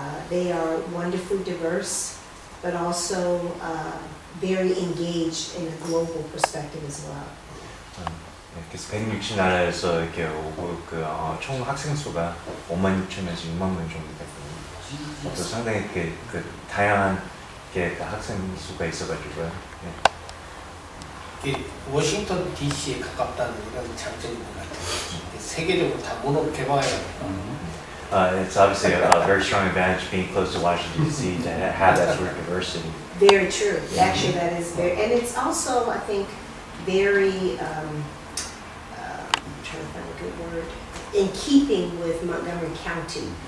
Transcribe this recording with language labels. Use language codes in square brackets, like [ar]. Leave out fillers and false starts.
[en] They are wonderfully diverse, but also very engaged in a global perspective as well. [ko] 그래서 160 나라에서 이렇게 오고 그 총 학생 수가 5만 6천에서 6만 명 정도 됐거든요. 또 상당히 이렇게 그 다양한 게 학생 수가 있어가지고요. 워싱턴 DC에 가깝다는 이런 장점인 것 같아요. 세계적으로 다 문을 개방해야 돼요. [en] It's obviously a very strong advantage being close to Washington DC to have that sort of diversity. Very true. Actually, that is very, and it's also, I think, very, I'm trying to find a good word, in keeping with Montgomery County.